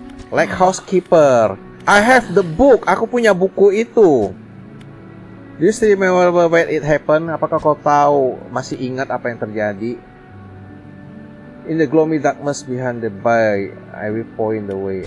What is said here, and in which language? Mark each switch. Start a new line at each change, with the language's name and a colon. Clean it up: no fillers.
English: Like housekeeper, I have the book.
Indonesian: Aku punya buku itu.
English: Do you still remember when it happened?
Indonesian: Apakah kau tahu, masih ingat apa yang terjadi?
English: In the gloomy darkness behind the bay, I will point the way.